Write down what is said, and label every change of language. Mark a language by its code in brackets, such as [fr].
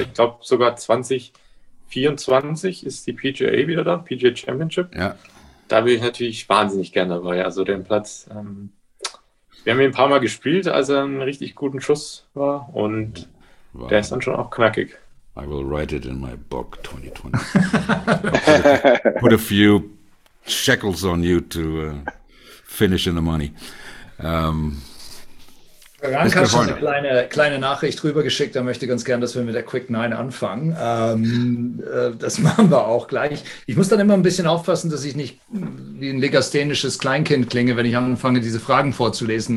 [de] Ich glaube sogar 2024 ist die PGA wieder da, PGA Championship. Ja. Da bin ich natürlich wahnsinnig gerne dabei. Also den Platz. Wir haben ihn ein paar Mal gespielt, als er einen richtig guten Schuss war. Und der ist dann schon auch knackig. [en] I will write it in my book 2020. Put a few shekels on you to finish in the money. [de] Rank hat schon eine kleine Nachricht rüber geschickt. Er möchte ganz gern, dass wir mit der Quick Nine anfangen. Das machen wir auch gleich. Ich muss dann immer ein bisschen aufpassen, dass ich nicht wie ein legasthenisches Kleinkind klinge, wenn ich anfange, diese Fragen vorzulesen.